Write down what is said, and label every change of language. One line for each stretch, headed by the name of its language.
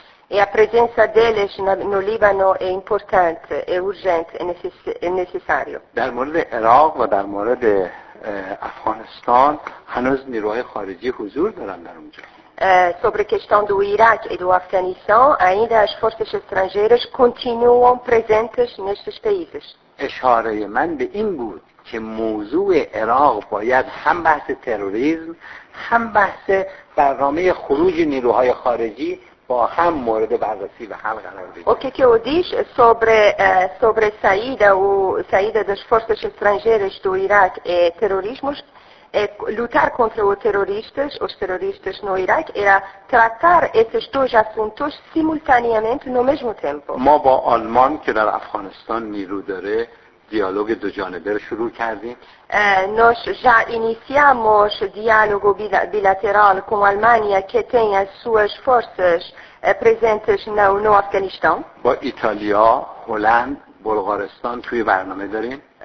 Portuguese: E a presença deles no Líbano é importante, é urgente, é necessário.
Persian: در مورد عراق و در مورد افغانستان هنوز نیروهای خارجی حضور دارن در اونجا.
Portuguese: Sobre a questão do Iraque e do Afeganistão, ainda as forças estrangeiras continuam presentes nestes países.
Persian: اشاره من به این بود که موضوع عراق باید هم بحث تروریسم هم بحث برنامه خروج نیروهای خارجی با هم مورد بررسی و حل قرار بگیره.
Portuguese: O que eu disse sobre saída das forças estrangeiras do Iraque e terrorismo é lutar contra os terroristas no Iraque era tratar esses dois assuntos simultaneamente no mesmo tempo.
Persian: ما با آلمان که در افغانستان نیرو داره دیالوگ دو جانبه رو شروع کردیم.
Portuguese: Nós já iniciamos diálogo bilateral com a Alemanha que tem as suas forças presentes no Afeganistão.
Persian: با ایتالیا، هلند، بلغارستان توی برنامه داریم.